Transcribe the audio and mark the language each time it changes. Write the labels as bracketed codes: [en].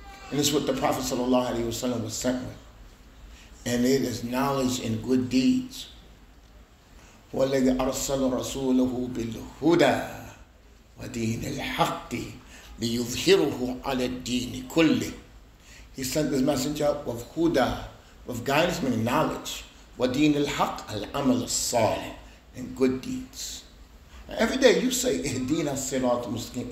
[en] And it's what the Prophet sallallahu alayhi wa sallam was sent with. And it is knowledge and good deeds. [ar] وَالَّذِي أَرْسَلُ رَسُولَهُ بِالْهُدَى وَدِينِ الْحَقِّ لِيُظْهِرُهُ عَلَى الدِّينِ كُلِّهِ. [en] He sent this messenger with huda, with guidance meaning knowledge. [ar] وَدِينِ الْحَقِّ الْعَمَلُ الصَّالِحِ, [en] and good deeds. Every day you say [ar] اهدينا الصراط المستقيم.